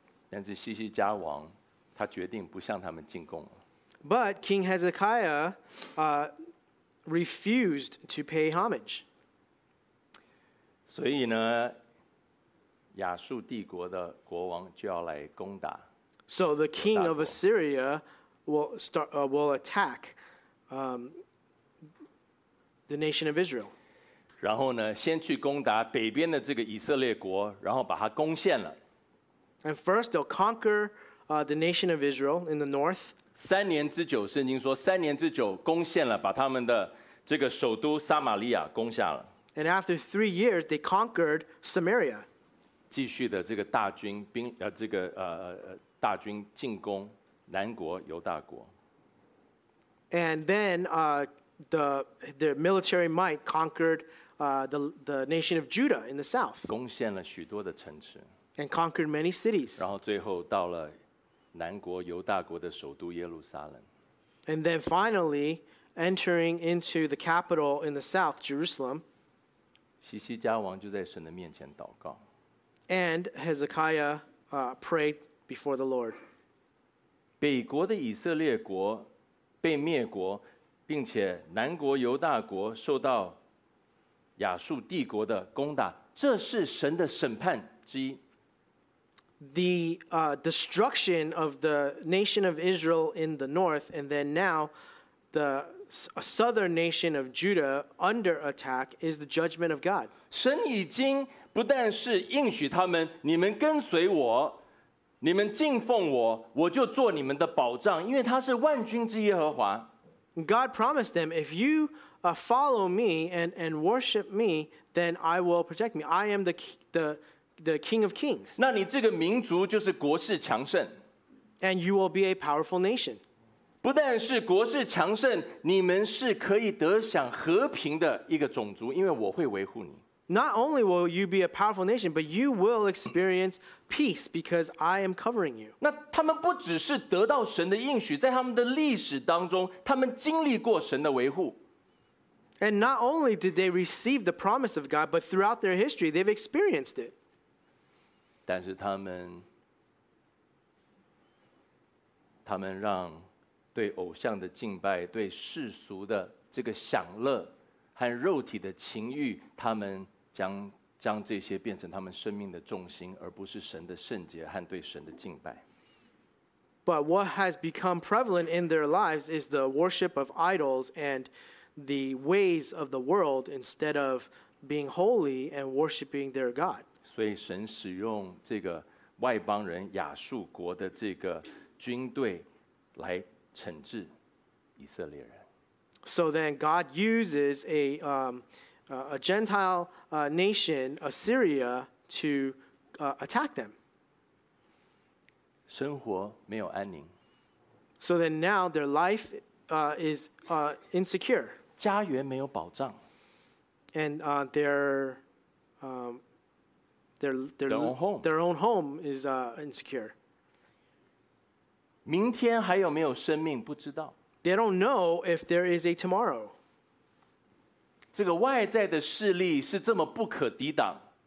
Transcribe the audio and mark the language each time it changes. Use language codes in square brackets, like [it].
[zh] 但是西西家王他决定不向他们进贡了。 [en] But King Hezekiah refused to pay homage. [zh] 所以呢，亚述帝国的国王就要来攻打。 [en] So the king of Assyria will start, will attack, the nation of Israel. [zh] 然后呢，先去攻打北边的这个以色列国，然后把它攻陷了。 [en] And first they'll conquer, the nation of Israel in the north. [zh] 三年之久，圣经说三年之久攻陷了，把他们的这个首都撒玛利亚攻下了。 [en] And after 3 years they conquered Samaria. [zh] 继续的这个大军兵，这个大军进攻南国犹大国。 [en] And then, the military might conquered, the nation of Judah in the south. [zh] 攻陷了许多的城池。 [en] And conquered many cities. [zh] 然后最后到了南国犹大国的首都耶路撒冷。 [en] And then finally, entering into the capital in the south, Jerusalem. [zh] 西西家王就在神的面前祷告。 [en] And Hezekiah, prayed. Before the Lord. [zh] 北国的以色列国被灭国，并且南国犹大国受到亚述帝国的攻打，这是神的审判之一。 [en] The destruction of the nation of Israel in the north, and then now the southern nation of Judah under attack is the judgment of God. [zh] 神已经不但是应许他们，你们跟随我，你们敬奉我，我就做你们的保障，因为他是万军之耶和华。 [en] God promised them, if you follow me and worship me, then I will protect me. I am the King of Kings. [zh] 那你这个民族就是国势强盛。 [en] And you will be a powerful nation. [zh] 不但是国势强盛，你们是可以得享和平的一个种族，因为我会维护你。 [en] Not only will you be a powerful nation, but you will experience peace because I am covering you. [zh] 那他们不只是得到神的应许，在他们的历史当中，他们经历过神的维护。 [en] And not only did they receive the promise of God, but throughout their history, they've experienced it. [zh] 但是他们让对偶像的敬拜，对世俗的这个享乐和肉体的情欲，他们将这些变成他们生命的重心，而不是神的圣洁和对神的敬拜。 [en] But what has become prevalent in their lives is the worship of idols and the ways of the world instead of being holy and worshiping their God. [zh] 所以神使用这个外邦人亚述国的这个军队来惩治以色列人。 [en] So then God uses a Gentile nation, Assyria, to attack them. [zh] 生活没有安宁。 [en] So then now their life is insecure. [zh] 家园没有保障。 [en] And their own home is insecure. [zh] 明天还有没有生命不知道。 [en] They don't know if there is a tomorrow. [zh] 这个外在的势力是这么不可抵挡。